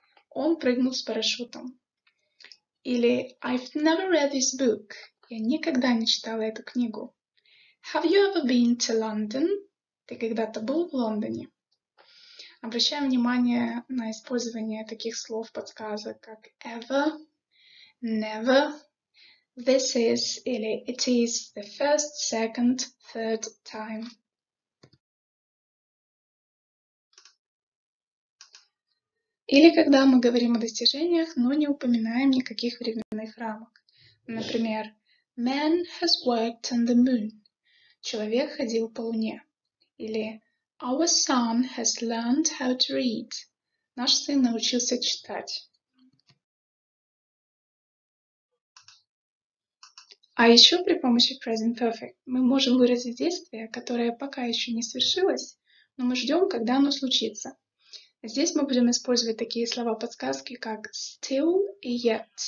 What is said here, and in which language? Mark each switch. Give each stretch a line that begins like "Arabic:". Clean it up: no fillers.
Russian: Он прыгнул с парашютом. Или
English: I've never read this book.
Russian: Я никогда не читала эту книгу.
English: Have you ever been to London?
Russian: Ты когда-то был в Лондоне? Обращаем внимание на использование таких слов подсказок, как ever, never.
English: This is или it is the first, second, third time.
Russian: Или когда мы говорим о достижениях, но не упоминаем никаких временных рамок. Например,
English: Man has worked on the moon.
Russian: Человек ходил по Луне.
English: Или Our son has learned how to read.
Russian: Наш сын научился читать. А еще при помощи present perfect мы можем выразить действие, которое пока еще не свершилось, но мы ждем, когда оно случится. Здесь мы будем использовать такие слова-подсказки, как still и yet.